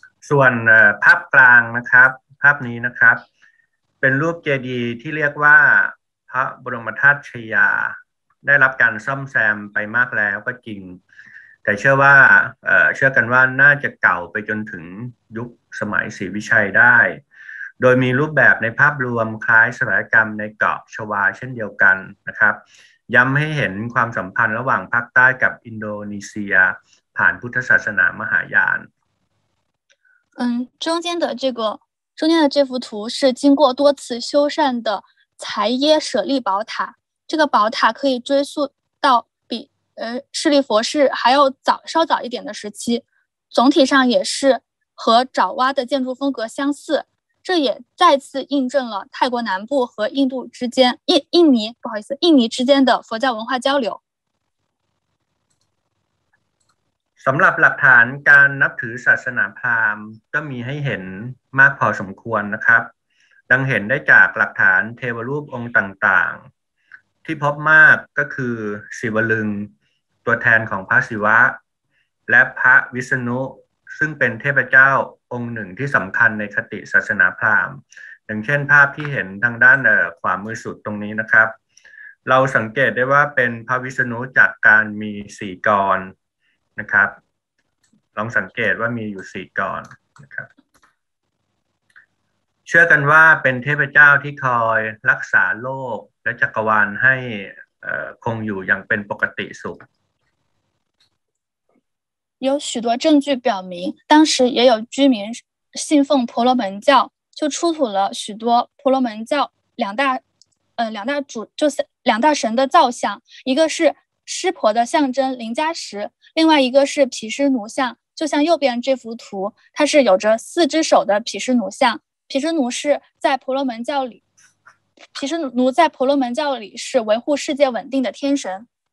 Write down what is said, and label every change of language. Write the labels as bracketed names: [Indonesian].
[Thai] ส่วนภาพกลางนะครับภาพนี้นะครับเป็นรูปเจดีย์ที่เรียกว่าพระบรมธาตุชยาได้รับการซ่อมแซมไปมากแล้วก็จริงแต่เชื่อว่าเชื่อกันว่าน่าจะเก่าไปจนถึงยุคสมัยศรีวิชัยได้โดยมีรูปแบบในภาพรวมคล้ายสถาปัตยกรรมในเกาะชวาเช่นเดียวกันนะครับย้ำให้เห็นความสัมพันธ์ระหว่างภาคใต้กับอินโดนีเซียผ่านพุทธศาสนามหายาน [Chinese] 中间的这幅图是经过多次修缮的才耶舍利宝塔。这个宝塔可以追溯到比舍利佛是还要稍早一点的时期，总体上也是和爪哇的建筑风格相似。这也再次印证了泰国南部和印尼之间的佛教文化交流。 [Thai] สำหรับหลักฐานการนับถือศาสนาพราหมณ์ก็มีให้เห็นมากพอสมควรนะครับดังเห็นได้จากหลักฐานเทวรูปองค์ต่างๆที่พบมากก็คือศิวลึงตัวแทนของพระศิวะ และพระวิษณุซึ่งเป็นเทพเจ้าองค์หนึ่งที่สำคัญในคติศาสนาพราหมณ์อย่างเช่นภาพที่เห็นทางด้านขวามือสุดตรงนี้นะครับเราสังเกตได้ว่าเป็นพระวิษณุจากการมีสี่กรนะครับ ลองสังเกตว่ามีอยู่4ก่อนนะครับเชื่อกันว่าเป็นเทพเจ้าที่คอยรักษาโลกและจักรวาลให้คงอยู่อย่างเป็นปกติสุข [Chinese] 有许多证据表明当时也有居民信奉婆罗门教就出土了许多婆罗门教两大神的造像一个是湿婆的象征林加什另外一个是毗湿奴像就像右边这幅图它是有着四只手的毗湿奴像毗湿奴在婆罗门教里是维护世界稳定的天神